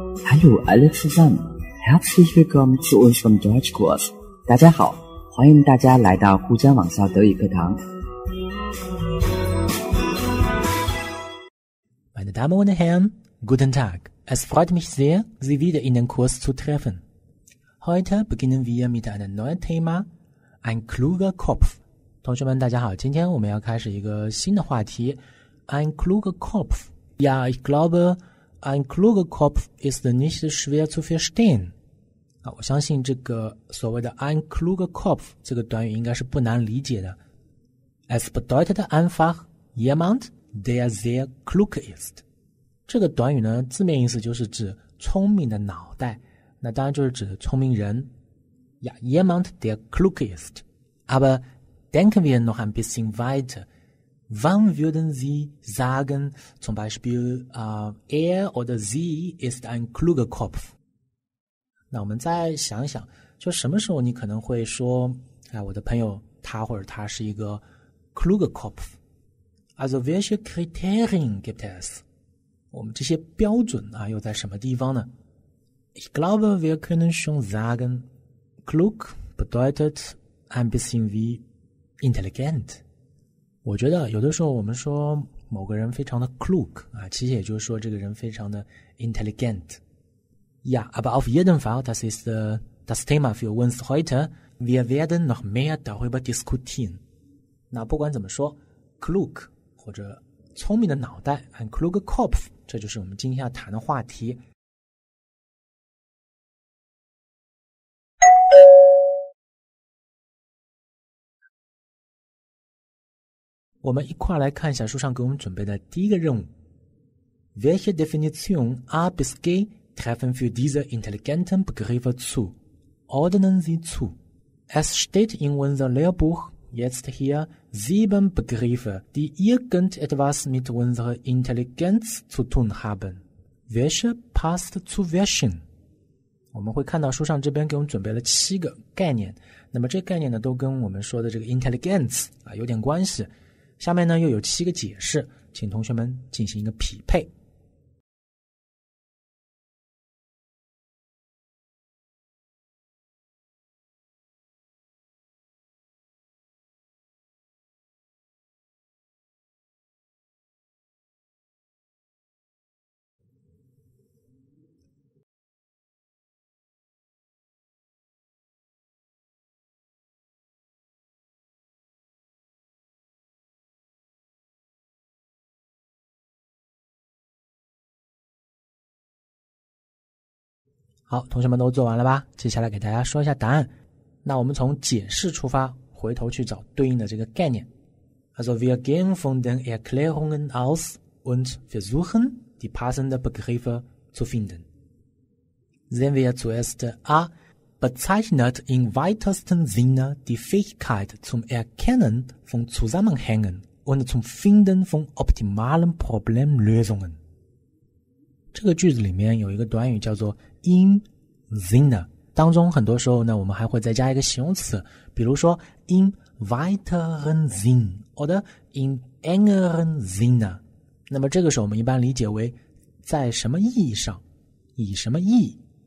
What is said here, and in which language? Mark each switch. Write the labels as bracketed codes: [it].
[de] Hallo alle zusammen, herzlich willkommen zu unserem Deutschkurs. [zh] 大家好，欢迎大家来到沪江网校德语课堂。 [de] Meine Damen und Herren, guten Tag. Es freut mich sehr, Sie wieder in den Kurs zu treffen. Heute beginnen wir mit einem neuen Thema, ein kluger Kopf. [zh] 同学们，大家好，今天我们要开始一个新的话题 [de] ein kluger Kopf. Ja, ich glaube, ein kluger Kopf ist nicht schwer zu verstehen. [zh] 我相信这个所谓的 [de] ein kluger Kopf [zh] 这个短语应该是不难理解的。 [de] Es bedeutet einfach jemand,der sehr klug ist. [zh] 这个短语呢字面意思就是指聪明的脑袋，那当然就是指聪明人。 [de] Ja, jemand, der klug ist. Aber denken wir noch ein bisschen weiter. Wann würden Sie sagen, zum Beispiel, er oder sie ist ein kluger Kopf? [zh] 那我们再想想，就什么时候你可能会说，哎，我的朋友他或者他是一个 kluger Kopf? [de] Also welche Kriterien gibt es? [zh] 我们这些标准啊又在什么地方呢? [de] Ich glaube, wir können schon sagen, klug bedeutet ein bisschen wie intelligent. [zh] 我觉得有的时候我们说某个人非常的 klug, 啊其实也就是说这个人非常的 intelligent. [de] Ja, aber auf jeden Fall, das ist das Thema für uns heute, wir werden noch mehr darüber diskutieren. [zh] 那不管怎么说 klug,或者聪明的脑袋 [de] ein kluger Kopf [zh] 这就是我们今天要谈的话题我们一块来看一下书上给我们准备的第一个任务 [de] Welche Definition A bis G treffen für diese intelligenten Begriffe zu? Ordnen Sie zu Es steht in unser Lehrbuch jetzt hier sieben Begriffe, die irgendetwas mit unserer Intelligenz zu tun haben. Welche passt zu welchen? [zh] 我们会看到书上这边给我们准备了七个概念，那么这概念呢都跟我们说的这个 intelligenz 啊有点关系。下面呢又有七个解释，请同学们进行一个匹配。好，同学们都做完了吧？接下来给大家说一下答案。那我们从解释出发，回头去找对应的这个概念。 [de] Also wir gehen von den Erklärungen aus und versuchen die passenden Begriffe zu finden. Sehen wir zuerst A, bezeichnet im weitesten Sinne die Fähigkeit zum Erkennen von Zusammenhängen und zum Finden von optimalen Problemlösungen. [zh] 这个句子里面有一个短语叫做in Sinne 当中很多时候呢我们还会再加一个形容词比如说 [de] in weiteren Sinn oder in engeren Sinne [zh] 那么这个时候我们一般理解为在什么意义上以什么意义